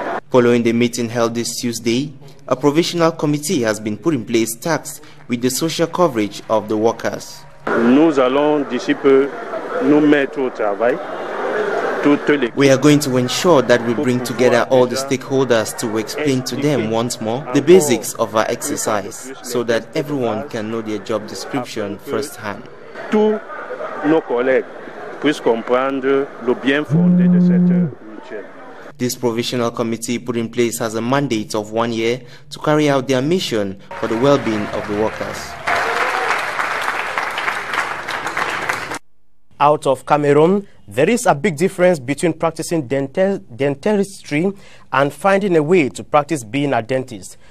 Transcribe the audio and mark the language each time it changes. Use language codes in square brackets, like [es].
[en] Following the meeting held this Tuesday, a provisional committee has been put in place tasked with the social coverage of the workers. [fr] Nous allons d'ici peu nous mettre au travail. [en] We are going to ensure that we bring together all the stakeholders to explain to them once more the basics of our exercise so that everyone can know their job description firsthand. [fr] Tous nos collègues puissent comprendre le bien fondé de cette mission. [en] This provisional committee put in place has a mandate of 1 year to carry out their mission for the well-being of the workers. Out of Cameroon, there is a big difference between practicing dentistry and finding a way to practice being a dentist.